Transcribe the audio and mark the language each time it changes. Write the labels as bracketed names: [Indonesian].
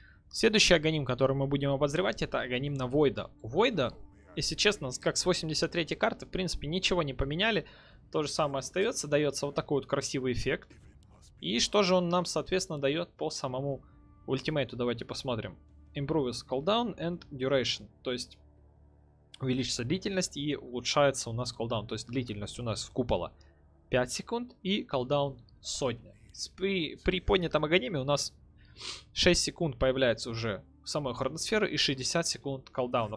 [Russian] Следующий аганим, который мы будем обозревать, это аганим на Войда. У Войда, если честно, как с 83-й карты, в принципе, ничего не поменяли. То же самое остается, дается вот такой вот красивый эффект. И что же он нам, соответственно, дает по самому ультимейту? Давайте посмотрим. [English] Improves cooldown and duration. [Russian] То есть, увеличится длительность и улучшается у нас cooldown. То есть, длительность у нас купола 5 секунд и cooldown сотня. При поднятом аганиме у нас... 6 секунд появляется уже в самой хроносфере и 60 секунд колдауна.